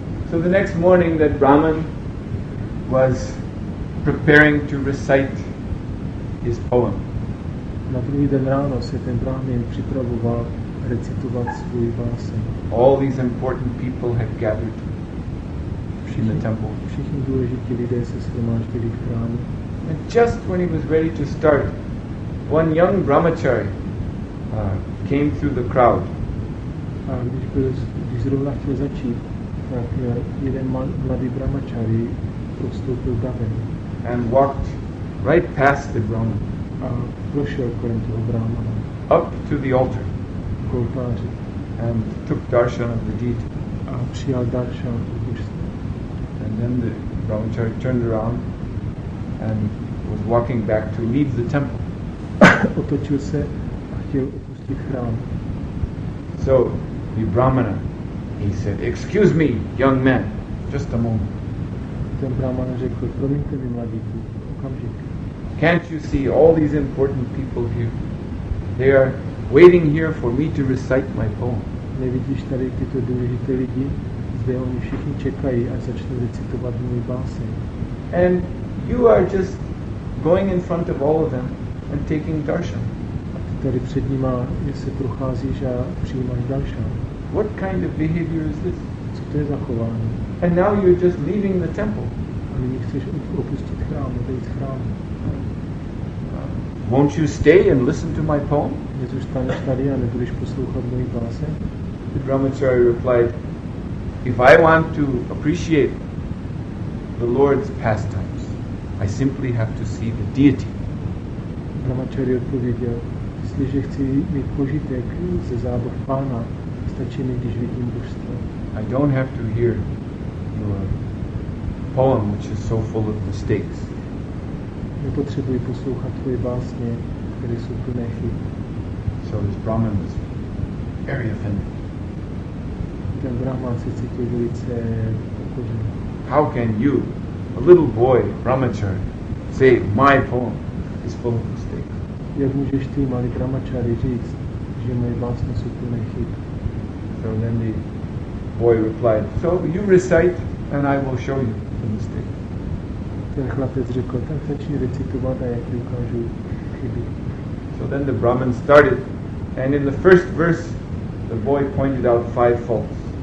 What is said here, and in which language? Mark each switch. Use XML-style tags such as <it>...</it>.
<en>So the next morning that Brahman was preparing to recite his poem.</en> <cs>Na druhý den ráno se ten Brahmin připravoval recitovat svůj básen.</cs> <en>All these important people had gathered in the temple.</en> <cs>Všichni důležití lidé se shromáždili v chrámu.</cs> <en>And just when he was ready to start, one young brahmachari came through the crowd.</en> <cs>A když zrovna chtěl začít, tak jeden mladý brahmachari prostoupil davem.</cs> <en>And walked right past the Brahman.</en> <cs>Prošel kolem toho Brahmana.</cs> <en>Up to the altar.</en> <cs>K oltáři.</cs> <en>And took darshan of the deity.</en> <cs>A přijal darshan od božstva.</cs> <en>And then the Brahmachari turned around and was walking back to leave the temple.</en> <cs>Otočil se a chtěl opustit chrám.</cs> <en>So the Brahmana, he said, "Excuse me, young man, just a moment."</en> <cs>Ten Brahmana řekl, promiňte mi, mladíku, okamžik.</cs> <en>"Can't you see all these important people here? They are waiting here for me to recite my poem."</en> <cs>Nevidíš tady tyto důležité lidi? Zde oni všichni čekají, až začnu recitovat můj básně.</cs> <en>"And you are just going in front of all of them and taking darshan."</en> <cs>A ty tady před nima se procházíš a přijímáš darshan.</cs> <en>"What kind of behavior is this?"</en> <cs>Co to je za chování?</cs> <en>"And now you're just leaving the temple."</en> <cs>A nyní chceš opustit chrám, odejít z chrámu.</cs> <en>"Won't you stay and listen to my poem?"</en> <cs>Nezůstaneš tady a nebudeš poslouchat mojí básně?</cs> <en>The Brahmachari replied, "If I want to appreciate the Lord's pastimes. I simply have to see the deity.</en> <cs>Brahmacharya odpověděl, jestliže chci mít požitek ze zábav pána, stačí mi, když vidím božstvo.</cs> <en>I don't have to hear your poem, which is so full of mistakes.</en> <cs>Nepotřebuji poslouchat tvoje básně, které jsou plné chyb.</cs> <en>So this Brahman was very offended.</en> <cs>Ten Brahman se cítil velice pokořen.</cs> <en>How can you, a little boy, Brahmacharya, say my poem is full of mistakes?</en> <cs>Jak můžeš ty, malý Brahmacharya, říct, že moje básně jsou plné chyb?</cs> <en>So then the boy replied, so you recite and I will show you the mistake.</en> <cs>Ten chlapec řekl, tak začni recitovat a já ti ukážu chyby.</cs> <en>So then the Brahman started, and in the first verse, the boy pointed out 5 faults.</en>